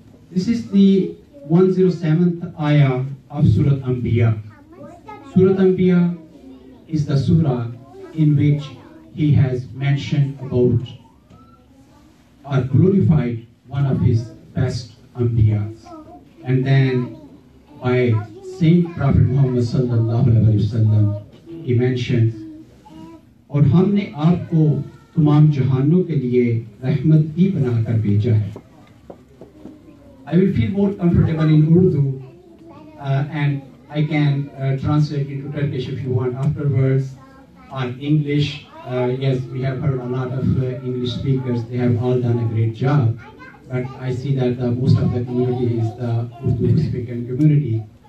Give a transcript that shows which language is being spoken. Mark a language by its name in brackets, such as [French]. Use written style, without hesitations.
[English] This is the 107th ayah of Surah Anbiya. Surah Anbiya is the surah in which he has mentioned about or glorified one of his best Anbiya's. And then by Saint Prophet Muhammad sallallahu alaihi wasallam, he mentions, [Urdu] اور ہم نے آپ کو تمام جہانوں کے لیے رحمت ہی بنا کر بھیجا ہے. [English] I will feel more comfortable in Urdu and I can translate into Turkish if you want afterwards. On English, yes, we have heard a lot of English speakers. They have all done a great job. But I see that the most of the community is the Urdu-speaking community.